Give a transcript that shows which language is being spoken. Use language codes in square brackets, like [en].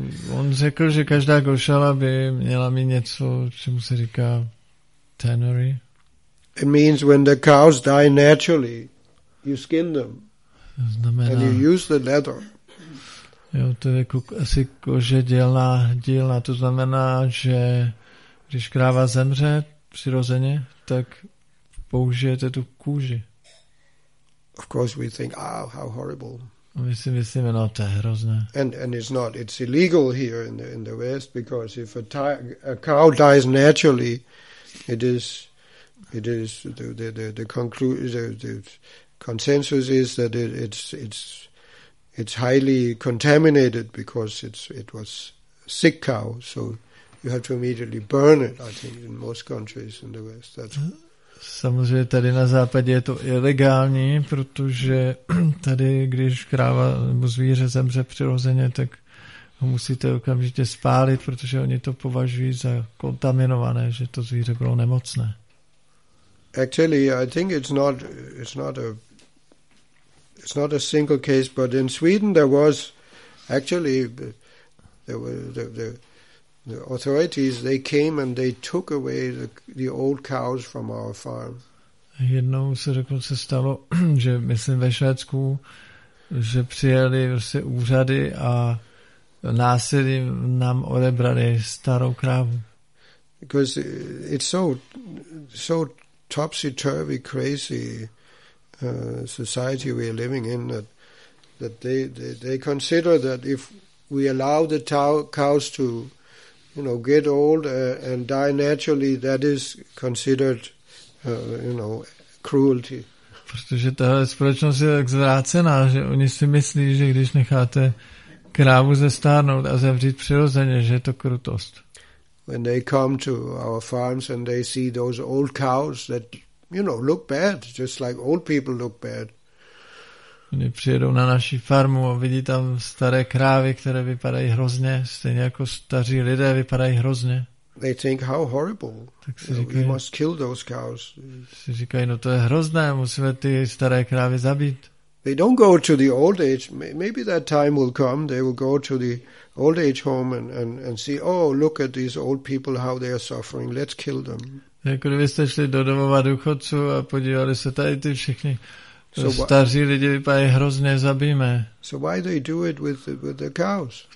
[cs] On řekl, že každá gošala by měla mít něco, čemu se říká tannery. [en] It means when the cows die naturally, you skin them. [cs] Znamená, [en] and you use the leather. [cs] Jo, to je asi kože dělná dílna. To znamená, že když kráva zemře přirozeně, tak použijete tu kůži. [en] Of course we think, oh, how horrible. [cs] My si myslíme, no, to je hrozné. [en] And it's not, it's illegal here in the West, because if a cow dies naturally, it is the consensus is that it's highly contaminated, because it was sick cow, so you have to immediately burn it, I think, in most countries in the West. That's [cs] samozřejmě tady na západě je to ilegální, protože tady, když kráva nebo zvíře zemře přirozeně, tak ho musíte okamžitě spálit, protože oni to považují za kontaminované, že to zvíře bylo nemocné. [en] Actually, I think it's not a single case, but in Sweden the authorities, they came and they took away the old cows from our farm. [cs] Jednou se dokonce stalo, že myslím ve Švédsku, že přijeli vlastně úřady a násilím nám odebrali starou krávu. [en] Because it's so topsy-turvy, crazy society we are living in that they consider that if we allow the cows to, you know, get old and die naturally, that is considered, you know, cruelty. [cs] Protože tahle společnost je tak zvrácená, že oni si myslí, že když necháte krávu zestárnout a zemřít přirozeně, že je to krutost. [en] When they come to our farms and they see those old cows that, you know, look bad, just like old people look bad. [cs] Oni přijedou na naši farmu a vidí tam staré krávy, které vypadají hrozně, stejně jako staří lidé vypadají hrozně. [en] They think how horrible. [cs] Tak si říkají, [en] we must kill those cows. [cs] Si říkají, no to je hrozné, musíme ty staré krávy zabít. [en] They don't go to the old age. Maybe that time will come. They will go to the old age home and see, oh, look at these old people, how they are suffering. Let's kill them. [cs] Jako kdybyste šli do domova důchodců a podívali se tady ty všichni. Staří lidi vypadají hrozně, zabijeme. [en] So why they do it with the cows?